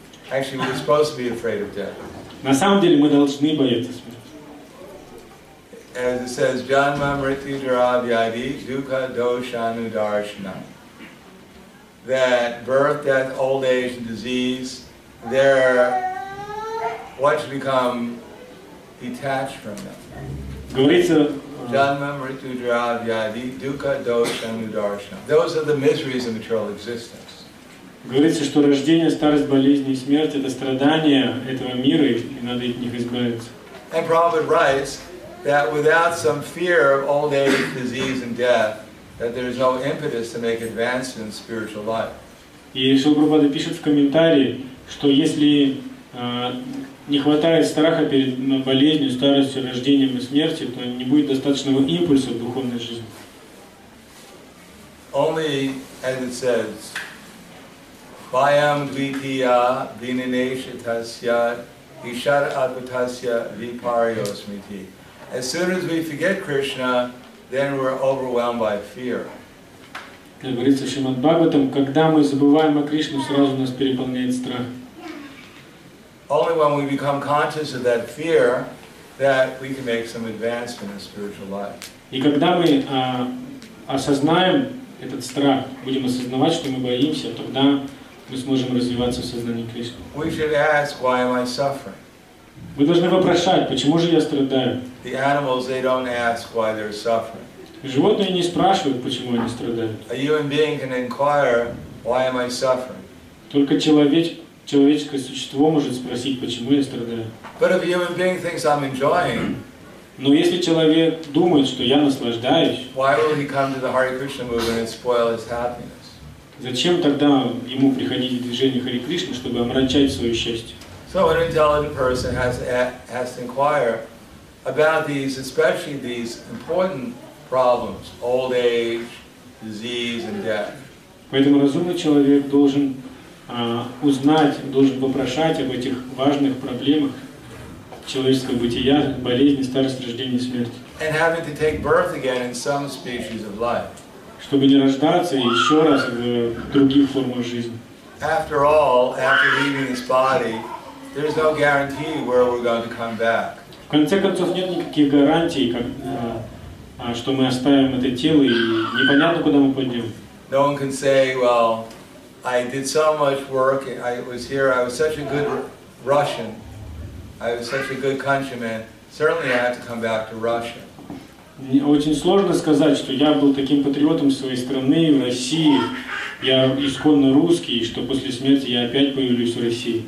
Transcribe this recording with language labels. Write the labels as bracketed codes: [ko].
[en] Actually, we're supposed to be afraid of death. [ru] На самом деле, мы должны бояться смерти. [en] As it says, [sa] Janma Mriti Duravyadi Dukha Doshanu Darshana. [en] That birth, death, old age, and disease, they're what should become detached from them. [sa] Janma Mriti Duravyadi Dukha Doshanu Darshana. [en] Those are the miseries of material existence. [ru] Говорится, что рождение, старость, болезни и смерть — это страдания этого мира, и надо от них избавиться. [en] And Prabhupada writes that without some fear of old age, disease, and death, that there is no impetus to make advances in spiritual life. [ru] И Шрила Прабхупада пишет в комментарии, что если не хватает страха перед болезнью, старостью, рождением и смертью, то не будет достаточного импульса в духовной жизни. [en] Only, as it says, [sa] Vayam dvitiya vinanesha tasya ishar adbhutasya vipariyosmiti. [en] As soon as we forget Krishna, then we're overwhelmed by fear. [ru] Как говорится в Шримад Бхагаватам, когда мы забываем о Кришне, сразу нас переполняет страх. [en] Only when we become conscious of that fear that we can make some advancement in spiritual life. [ru] И когда мы осознаем этот страх, будем осознавать, что мы боимся, тогда мы сможем развиваться в сознании Кришны. [en] We should ask, why am I suffering? [ru] Вы должны вопрошать, почему же я страдаю? [en] The animals, they don't ask why they're suffering. [ru] Животные не спрашивают, почему они страдают. [en] A human being can inquire, why am I suffering? [ru] Только человеческое существо может спросить, почему я страдаю. [en] But if a human being thinks I'm enjoying, [ru] но если человек думает, что я наслаждаюсь, [en] why will he come to the Hare Krishna movement and spoil his happiness? [ru] Зачем тогда ему приходить в движение Харе Кришны, чтобы омрачать свое счастье? [en] So an intelligent person has to inquire about these, especially these important problems: old age, disease, and death. [ru] Поэтому разумный человек должен узнать, должен попрошать об этих важных проблемах человеческого бытия: болезни, старость, рождение, смерть. [en] And having to take birth again in some species of life. [ru] Чтобы не рождаться еще раз в других формах жизни. [en] After all, after leaving this body, there's no guarantee where we're going to come back. [ru] В конце концов, нет никаких гарантий, что мы оставим это тело, и непонятно, куда мы пойдем. [en] No one can say, well, I did so much work, I was here, I was such a good Russian, I was such a good countryman, certainly I have to come back to Russia. [ru] Очень сложно сказать, что я был таким патриотом своей страны, в России, я исконно русский, и что после смерти я опять появлюсь в России.